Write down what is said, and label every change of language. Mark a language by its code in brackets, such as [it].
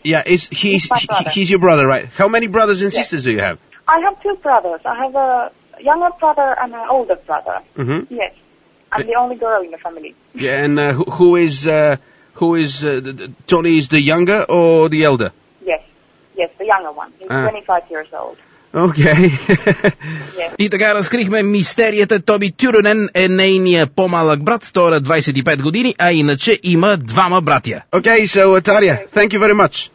[en] Yeah, he's your brother, right? How many brothers and sisters do you have? I have two brothers. I have a younger brother and an older brother. Mm-hmm. Yes. I'm the only girl in the family. Yeah, and Tony is the younger or the elder? Yes, the younger one. He's 25 years old. Окей. Okay. [bg] И така разкрихме мистерията. Тоби Тюрунен е нейния по-малък брат, той е 25 години, а иначе има двама братя. [en] Окей, okay, so Таря, thank you very much.